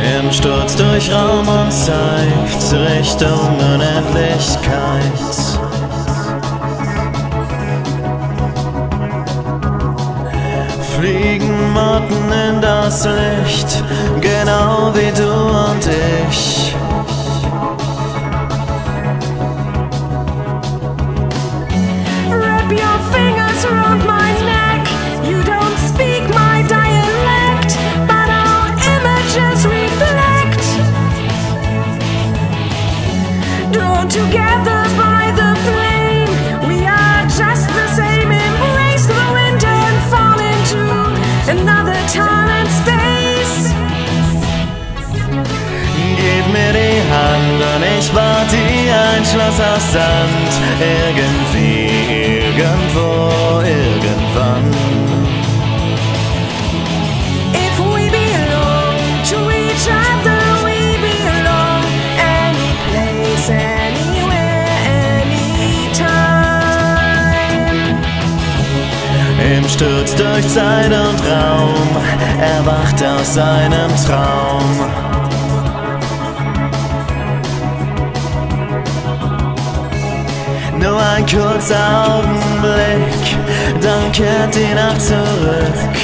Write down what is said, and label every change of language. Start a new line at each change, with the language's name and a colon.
German: stürzt durch Raum und Zeit Richtung Unendlichkeit. Fliegen Motten in das Licht, genau wie du und ich.
English: Wrap your fingers around my neck. You don't speak my dialect, but our images reflect. Drawn together by the flame, we are just the same. Embrace the wind and fall into another time and space.
German: Gib mir die Hand und ich bau dir ein Schloss aus Sand. Irgendwie. Irgendwo, irgendwann.
English: If we belong to each other, we belong any place, anywhere, anytime.
German: Im Sturz durch Zeit und Raum, erwacht aus seinem Traum. Nur ein kurzer Augenblick, dann kehrt die Nacht zurück.